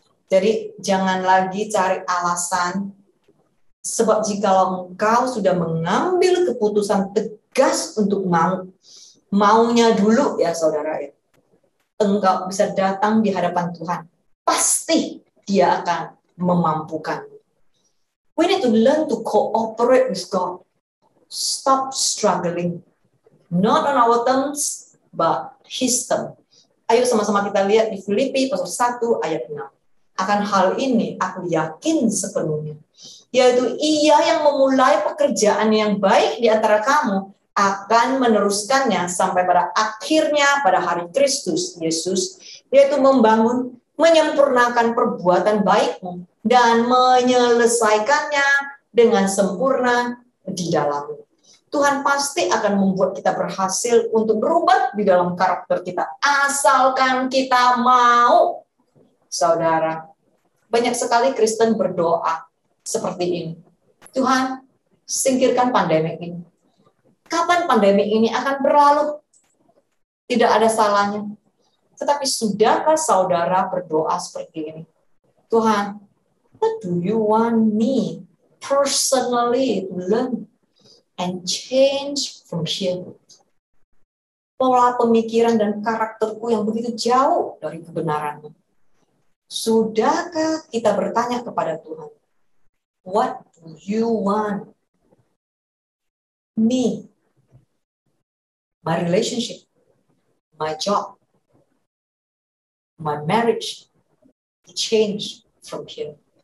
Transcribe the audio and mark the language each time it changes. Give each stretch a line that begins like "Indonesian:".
Indonesian: Jadi jangan lagi cari alasan. Sebab jikalau engkau sudah mengambil keputusan tegas untuk mau, maunya dulu ya saudara, engkau bisa datang di hadapan Tuhan. Pasti dia akan memampukan.
English: We need to learn to cooperate with God. Stop struggling. Not on our terms, but His terms.
Indonesian: Ayo sama-sama kita lihat di Filipi pasal 1 ayat 6. Akan hal ini aku yakin sepenuhnya. Yaitu ia yang memulai pekerjaan yang baik di antara kamu akan meneruskannya sampai pada akhirnya pada hari Kristus Yesus. Yaitu membangun, menyempurnakan perbuatan baikmu dan menyelesaikannya dengan sempurna di dalammu. Tuhan pasti akan membuat kita berhasil untuk berubah di dalam karakter kita. Asalkan kita mau. Saudara, banyak sekali Kristen berdoa seperti ini. Tuhan, singkirkan pandemi ini. Kapan pandemi ini akan berlalu? Tidak ada salahnya. Tetapi sudahkah saudara berdoa seperti ini?
English: Tuhan, what do you want me personally to learn and change from here?
Indonesian: Pola pemikiran dan karakterku yang begitu jauh dari kebenaranmu. Sudahkah kita bertanya kepada Tuhan,
English: what do you want me, my relationship, my job, my marriage to change from here?